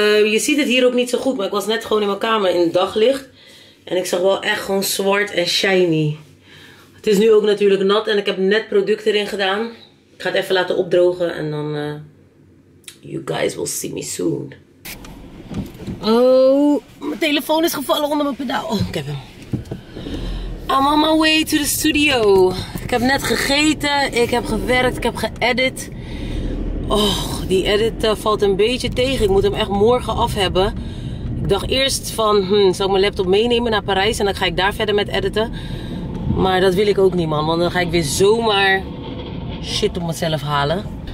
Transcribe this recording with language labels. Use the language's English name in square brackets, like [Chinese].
[Dutch] Je ziet het hier ook niet zo goed, maar ik was net gewoon in mijn kamer in het daglicht. En ik zag wel echt gewoon zwart en shiny. Het is nu ook natuurlijk nat en ik heb net product erin gedaan. Ik ga het even laten opdrogen en dan... [English] You guys will see me soon. [Dutch] Oh, mijn telefoon is gevallen onder mijn pedaal. Oh, ik heb hem. [English] I'm on my way to the studio. [Dutch] Ik heb net gegeten, ik heb gewerkt, ik heb geëdit. Oh, die edit valt een beetje tegen. Ik moet hem echt morgen af hebben. Ik dacht eerst van, zal ik mijn laptop meenemen naar Parijs en dan ga ik daar verder met editen. Maar dat wil ik ook niet, man, want dan ga ik weer zomaar shit op mezelf halen.